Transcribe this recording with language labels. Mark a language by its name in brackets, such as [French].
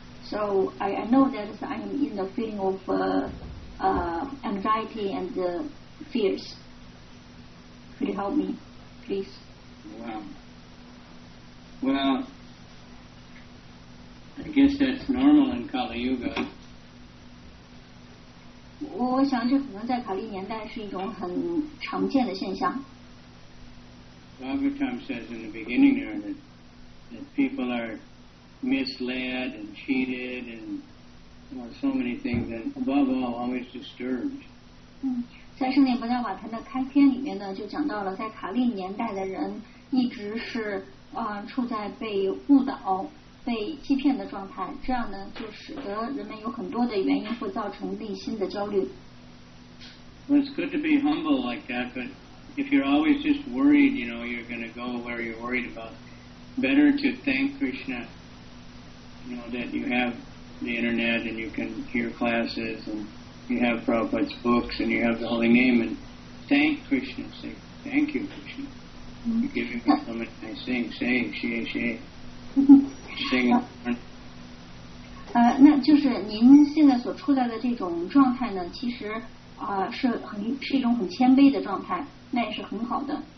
[English] So I know that I am in the feeling of anxiety and fears. Could you help me, please? Wow. Well, I guess that's normal in Kali Yuga. [Chinese] 我想这可能在卡利年代是一种很常见的现象。 [English] Bhagavatam says in the beginning there that people are... misled and cheated and so many things and above all always disturbed. [Chinese] 在圣殿伯加瓦坛的开篇里面呢就讲到了在卡利年代的人一直是处在被误导被欺骗的状态，这样呢就使得人们有很多的原因会造成内心的焦虑。 [English] Well, it's good to be humble like that, but if you're always just worried, you know, you're going to go where you're worried about, better to thank Krishna. You know, that you have the internet and you can hear classes and you have Prabhupada's books and you have the holy name and thank Krishna, say thank you Krishna. You give him so much I sing, say, shay, shay. Sing it. [Chinese] 那就是您现在所处在的这种状态呢其实是一种很谦卑的状态，那也是很好的。